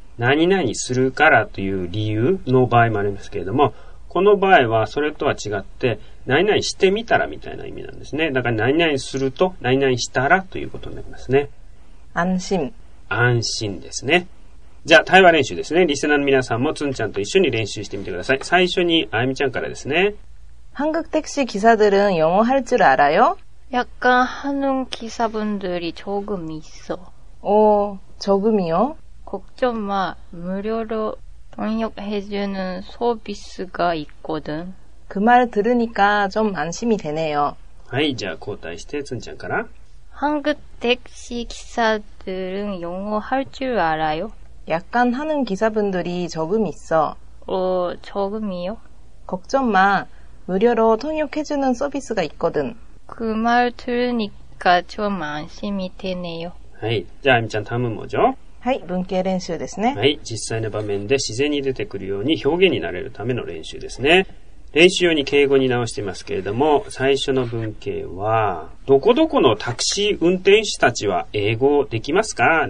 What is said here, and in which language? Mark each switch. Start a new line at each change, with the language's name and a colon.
Japanese: 何々するからという理由の場合もありますけれども、この場合はそれとは違って、何々してみたらみたいな意味なんですね。だから何々すると、何々したらということになりますね。安心。安心ですね。じゃあ対話練習ですね。リスナーの皆さんもツンちゃんと一緒に練習してみてください。最初にあゆみちゃんからですね。
Korean: 한국택시기사들은영어할줄알아요 약간하는기사분들이조금있어 오조금이요 걱정마무료로통역해주는서비스가있거든 그말들으니까좀안심이되네요
Japanese: はいじゃあ交代してつんちゃんから 한국택시기사들은영어할줄알아요 약간 하는 기사분들이 적음 있어. 적음이요? 걱정 마. 무료로 통역해주는 서비스가 있거든. 그 말 들으니까 좀 안심이 되네요. はい、じゃあ、あゆみちゃん、タムもじょ。はい、文型練習ですね。はい、実際の場面で自然に出てくるように表現になれるための練習ですね。練習用に敬語に直していますけれども、最初の文型は、どこどこのタクシー運転手たちは英語できますか?